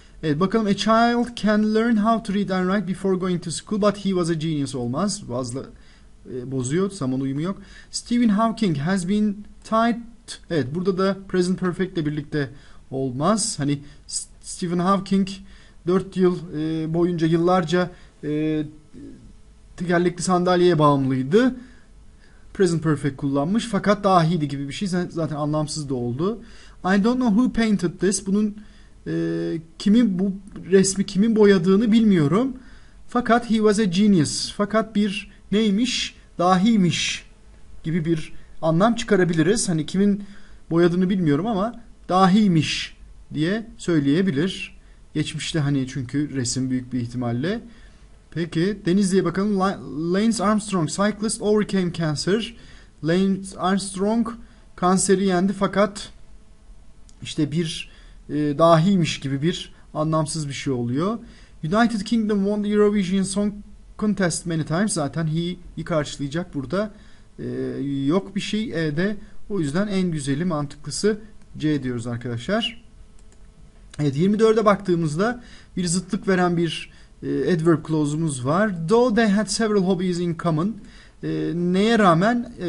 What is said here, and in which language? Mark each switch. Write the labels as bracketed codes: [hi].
[tr] Evet, bakalım. [en] "A child can learn how to read and write before going to school, but he was a genius" olmaz. [tr] Bazla bozuyor. Tam onun uyumu yok. [en] "Stephen Hawking has been tied." [tr] Evet, burada da present perfect ile birlikte olmaz. Hani Stephen Hawking 4 yıl boyunca yıllarca tekerlekli sandalyeye bağımlıydı. Present perfect kullanmış fakat dahiydi gibi bir şey zaten anlamsız da oldu. [en] "I don't know who painted this." [tr] Bunun kimin bu resmi kimin boyadığını bilmiyorum. Fakat [en] he was a genius. [tr] Fakat bir neymiş? Dahiymiş gibi bir anlam çıkarabiliriz. Hani kimin boyadığını bilmiyorum ama dahiymiş diye söyleyebilir. Geçmişte hani çünkü resim büyük bir ihtimalle. Peki Denizli'ye bakalım. [en] "Lance Armstrong cyclist overcame cancer." [tr] Lance Armstrong kanseri yendi fakat işte bir dahiymiş gibi bir anlamsız bir şey oluyor. [en] "United Kingdom won the Eurovision Song Contest many times." [tr] Zaten he'yi karşılayacak burada. Yok bir şey E'de. O yüzden en güzeli mantıklısı C diyoruz arkadaşlar. Evet, 24'e baktığımızda bir zıtlık veren bir adverb clause'umuz var. [en] "Though they had several hobbies in common." [tr] Neye rağmen?